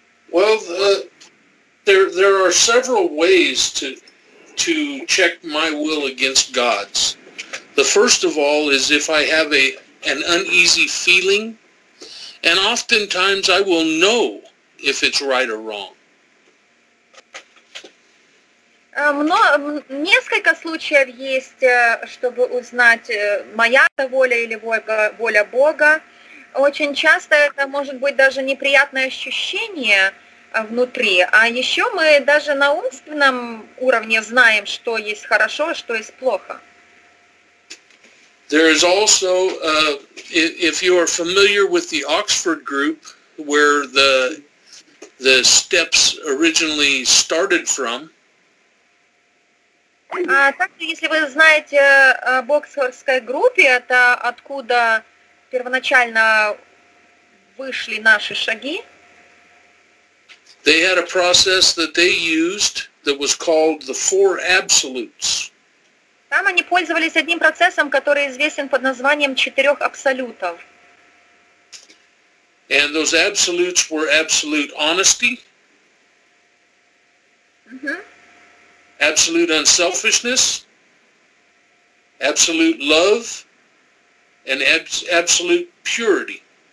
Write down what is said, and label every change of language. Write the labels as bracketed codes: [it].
[en] Well, there are several ways to check my will against God's. The first of all is if I have an uneasy feeling, and oftentimes I will know if it's right or wrong. [ru] Несколько случаев есть, чтобы узнать, моя это воля или воля Бога. Очень часто это может быть даже неприятное ощущение внутри. А еще мы даже на умственном уровне знаем, что есть хорошо, что есть плохо. [en] There is also, if you are familiar with the Oxford group, where the steps originally started from, [ru] а также, если вы знаете об Оксфордской группе, это откуда первоначально вышли наши шаги. [en] They had a process that they used that was called the Four Absolutes. [ru] Там они пользовались одним процессом, который известен под названием четырех абсолютов. [en] And those absolutes were absolute honesty. Absolute unselfishness, absolute love, and absolute purity.